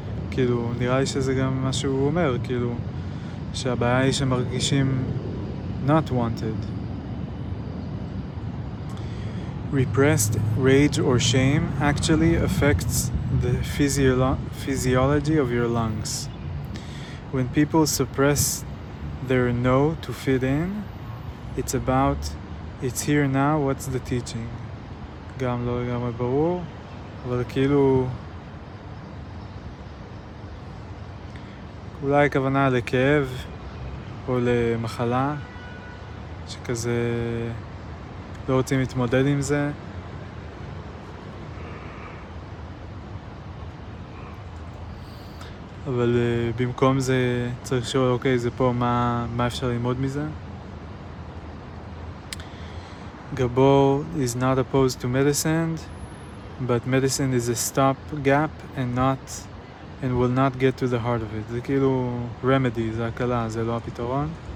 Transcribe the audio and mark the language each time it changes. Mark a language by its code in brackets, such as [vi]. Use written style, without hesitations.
[he] כאילו, נראה לי שזה גם מה שהוא אומר, כאילו, שהבעיה היא שמרגישים [en] not wanted. Repressed rage or shame actually affects the physiology of your lungs. When people suppress their no to fit in, it's about, it's here now, what's the teaching? [he] גם לא לגמרי ברור, אבל כאילו, אולי הכוונה לכאב או למחלה שכזה לא רוצים להתמודד עם זה. אבל במקום זה צריך לשאול, אוקיי, זה פה, מה אפשר ללמוד מזה? [en] Gabor is not opposed to medicine, but medicine is a stop gap and not and will not get to the heart of it. [he] זה כאילו remedy, זה הקלה, זה לא הפתרון.